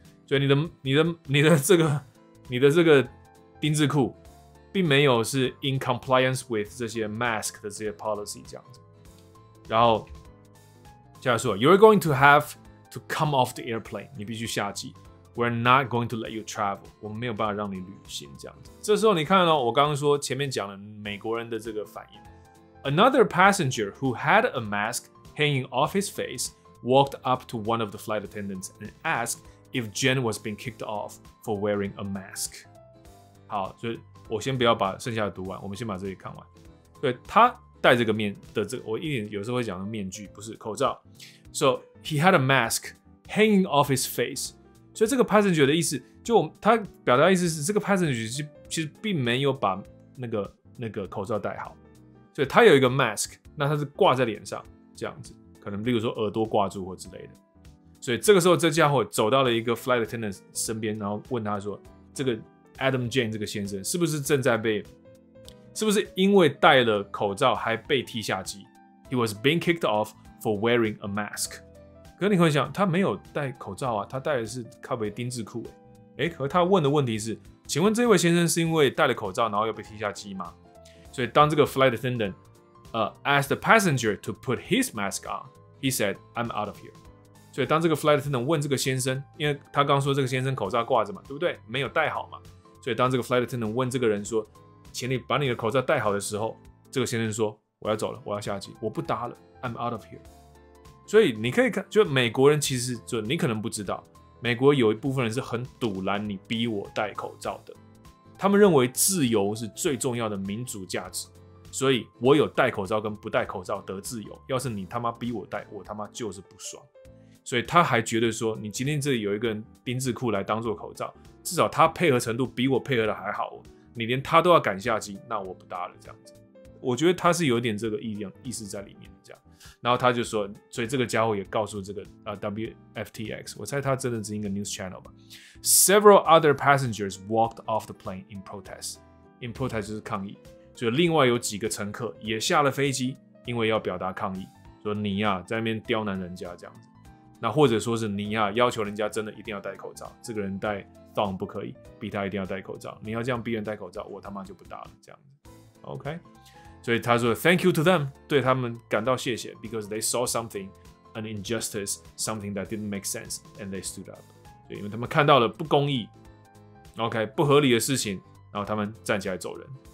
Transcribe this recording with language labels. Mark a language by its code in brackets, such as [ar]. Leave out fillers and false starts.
[zh] 就你的这个丁字裤并没有是 [en] in compliance with [zh] 这些 mask 的这些 policy 这样子。然后接着说 [en] ，You're going to have to come off the airplane， [zh] 你必须下机。 [en] We're not going to let you travel， [zh] 我们没有办法让你旅行这样子。这时候你看到我刚刚说前面讲了美国人的这个反应。 [en] Another passenger who had a mask hanging off his face walked up to one of the flight attendants and asked if Jen was being kicked off for wearing a mask. [zh] 好，所以我先不要把剩下的读完，我们先把这里看完。对，他戴这个面的这个，我一点有时候会讲的面具，不是口罩。 [en] So he had a mask hanging off his face. [zh] 所以这个 passenger 的意思，就他表达的意思是，这个 passenger 其实并没有把那个口罩戴好。对，他有一个 mask， 那他是挂在脸上这样子，可能例如说耳朵挂住或之类的。所以这个时候，这家伙走到了一个 flight attendant 身边，然后问他说：“这个 Adam Jane 这个先生是不是正在被，是不是因为戴了口罩还被踢下机 ？ [en] He was being kicked off for wearing a mask。” [zh] 可是你会想，他没有戴口罩啊，他戴的是靠北丁字裤。哎，可他问的问题是：“请问这位先生是因为戴了口罩，然后又被踢下机吗？” 所以当这个 [en] flight attendant asked the passenger to put his mask on, he said, I'm out of here. [zh] 所以当这个 flight attendant 问这个先生，因为他刚说这个先生口罩挂着嘛，对不对？没有戴好嘛。所以当这个 flight attendant 问这个人说，请你把你的口罩戴好的时候，这个先生说，我要走了，我要下机，我不搭了， [en] I'm out of here. [zh] 所以你可以看，就美国人其实就你可能不知道，美国有一部分人是很堵拦你逼我戴口罩的。他们认为自由是最重要的民主价值，所以我有戴口罩跟不戴口罩得自由。要是你他妈逼我戴，我他妈就是不爽。所以他还觉得说，你今天这里有一个人丁字裤来当做口罩，至少他配合程度比我配合的还好。你连他都要赶下机，那我不搭了这样子。我觉得他是有点这个意思在里面这样。然后他就说，所以这个家伙也告诉这个WFTX， 我猜他真的是一个 news channel 吧。 [en] Several other passengers walked off the plane in protest. [zh] In protest 就是抗议，所以另外有几个乘客也下了飞机，因为要表达抗议，说你呀、啊、在那边刁难人家这样子。那或者说是你呀、啊、要求人家真的一定要戴口罩，这个人戴 thong 不可以，逼他一定要戴口罩。你要这样逼人戴口罩，我他妈就不搭了这样子。 OK。所以他说 [en] ，Thank you to them， [zh] 对他们感到谢谢 [en] ，because they saw something， an injustice， something that didn't make sense， and they stood up。 [zh] 对，因为他们看到了不公义 ，OK， 不合理的事情，然后他们站起来走人。